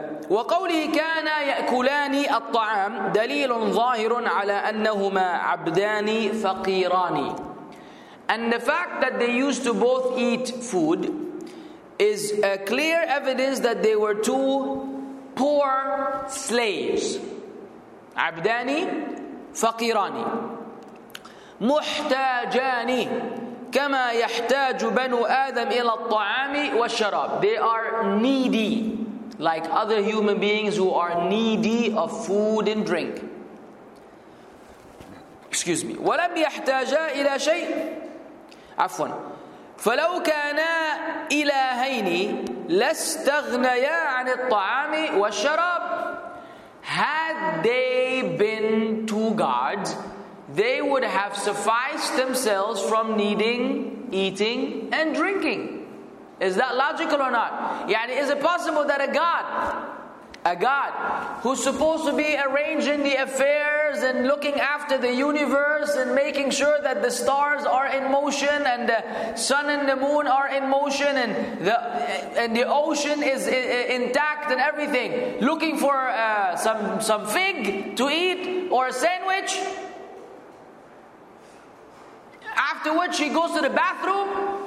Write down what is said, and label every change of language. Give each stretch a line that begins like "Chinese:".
Arabic: وقوله كان يأكلان الطعام دليل ظاهر على أنهما عبدان فقيران.
English: And the fact that they used to both eat food is a clear evidence that they were two poor slaves.
Arabic: عبداني فقيراني محتاجاني كما يحتاج بنو آدم إلى الطعام والشراب.
English: They are needy, like other human beings who are needy of food and drink. Excuse me.
Arabic: ولم يحتاجا إلى شيء. عفوا. فلو كانا إلهين لاستغنيا عن الطعام والشراب.
English: Had they been two gods, they would have sufficed themselves from needing eating and drinking. Is that logical or not? Yani, is it possible that a god who's supposed to be arranging the affairs and looking after the universe and making sure that the stars are in motion and the sun and the moon are in motion and the ocean is intact and everything, looking for some fig to eat or a sandwich, after which he goes to the bathroom?